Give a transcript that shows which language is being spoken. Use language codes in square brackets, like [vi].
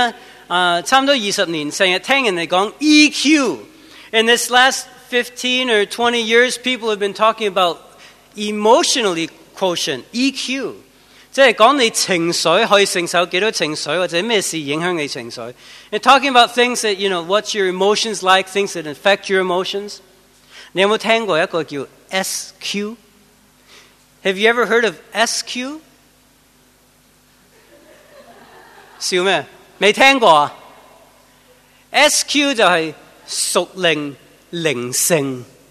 [yue] 最近这十几年,差不多二十年,经常听人家说EQ. [en] In this last 15 or 20 years, people have been talking about emotionally quotient, EQ. [yue] 即是讲你情绪可以承受多少情绪，或者咩事影响你情绪。 [en] You're talking about things that, you know, what's your emotions like, things that affect your emotions. [yue] 你有没有听过一个叫SQ? [en] Have you ever heard of SQ? [yue] 笑咩?没听过? SQ就是属灵灵性。